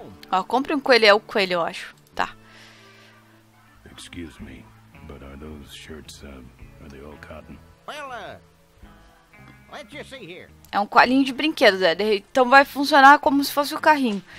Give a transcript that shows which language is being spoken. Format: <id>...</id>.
<pt>Ó, compre um coelho. É o coelho, eu acho.</pt> <en>Excuse me, but are those shirts, are they all cotton? Well, let you see here.</en> <pt>É um coelhinho de brinquedo, Zé. Então vai funcionar como se fosse o carrinho.</pt>